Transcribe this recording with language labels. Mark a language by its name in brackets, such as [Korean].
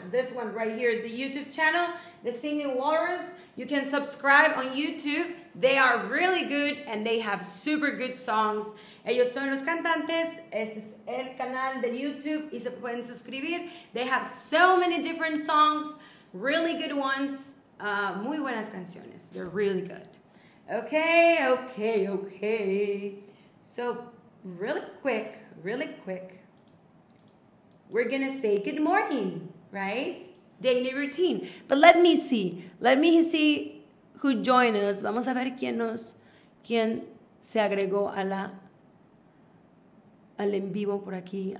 [English] This one right here is the YouTube channel, The Singing Walrus. You can subscribe on YouTube. They are really good and they have super good songs. [Spanish] Ellos son los cantantes. Este es el canal de YouTube y se pueden suscribir. [English] They have so many different songs, really good ones, [Spanish] muy buenas canciones. [English] They're really good. Okay. So, really quick, we're gonna say good morning, right? Daily routine. But let me see who joined us. [Spanish] Vamos a ver quién se agregó al en vivo por aquí.